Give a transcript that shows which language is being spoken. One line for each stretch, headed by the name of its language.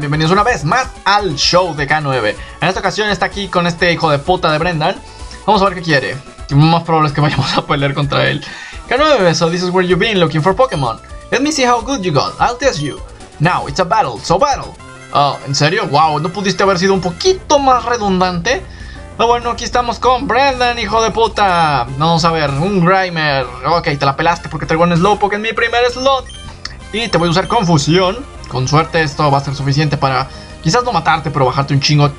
Spanish: Bienvenidos una vez más al show de K9. En esta ocasión está aquí con este hijo de puta de Brendan. Vamos a ver qué quiere. Lo más probable es que vayamos a pelear contra él.
English: K9, so this is where you've been looking for Pokémon. Let me see how good you got, I'll test you. Now, it's a battle, so battle. Oh,
Spanish: ¿en serio? Wow, ¿no pudiste haber sido un poquito más redundante? Pero bueno, aquí estamos con Brendan, hijo de puta. Vamos a ver, un Grimer. Ok, te la pelaste porque traigo un Slowpoke en mi primer slot. Y te voy a usar confusión. Con suerte esto va a ser suficiente para quizás no matarte, pero bajarte un chingo.